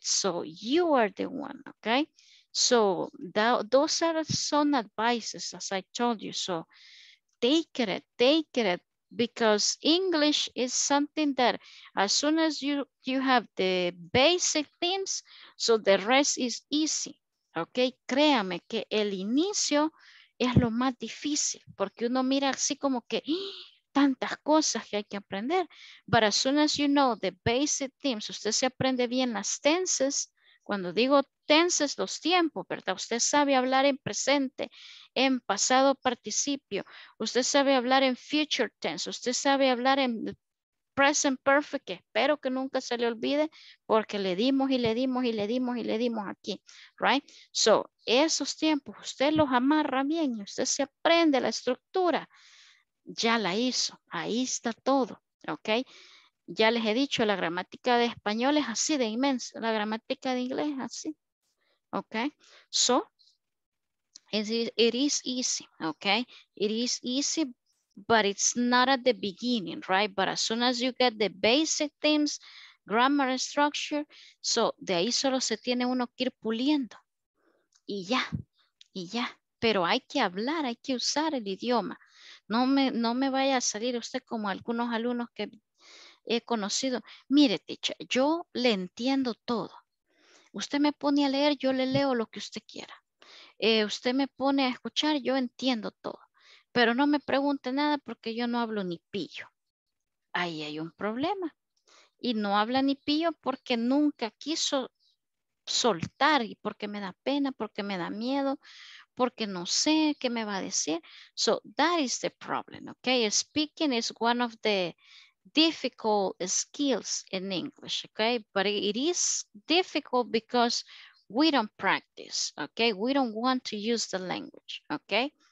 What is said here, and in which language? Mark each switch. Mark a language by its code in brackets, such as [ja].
[en] So you are the one, okay? So those are some advices, as I told you. So take it, because English is something that as soon as you have the basic things, so the rest is easy. [es] Okay, créame que el inicio es lo más difícil porque uno mira así como que tantas cosas que hay que aprender. [en] But as soon as you know the basic things, [es] usted se aprende bien las tenses. Cuando digo tenses, los tiempos, ¿verdad? Usted sabe hablar en presente, en pasado participio. Usted sabe hablar en future tense. Usted sabe hablar en present perfect, que espero que nunca se le olvide, porque le dimos y le dimos y le dimos y le dimos aquí, right? So, esos tiempos, usted los amarra bien y usted se aprende la estructura. Ya la hizo, ahí está todo, ¿ok? Ya les he dicho, la gramática de español es así de inmensa, la gramática de inglés es así, ¿ok? [en] So, it is easy, ¿ok? It is easy, but it's not at the beginning, right? But as soon as you get the basic things, grammar and structure, [es] so, de ahí solo se tiene uno que ir puliendo, y ya, pero hay que hablar, hay que usar el idioma. No me vaya a salir usted como algunos alumnos que he conocido. Mire, teacher, yo le entiendo todo. Usted me pone a leer, yo le leo lo que usted quiera. Usted me pone a escuchar, yo entiendo todo. Pero no me pregunte nada porque yo no hablo ni pillo. Ahí hay un problema. Y no habla ni pillo porque nunca quiso soltar y porque me da pena, porque me da miedo, porque no sé qué me va a decir. [en] So that is the problem, okay? Speaking is one of the difficult skills in English, okay? But it is difficult because we don't practice, okay? We don't want to use the language, okay?